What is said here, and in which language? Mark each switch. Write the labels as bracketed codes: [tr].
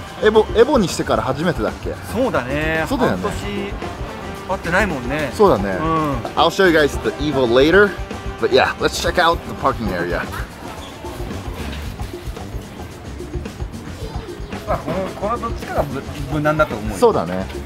[ja] エボにしてから初めてだっけ? そうだね。半年会ってないもんね。そうだね。 [en] I'll show you guys the Evo later. But yeah, let's check out the parking area. [ja] この土地から無難だと思うよ。そうだね。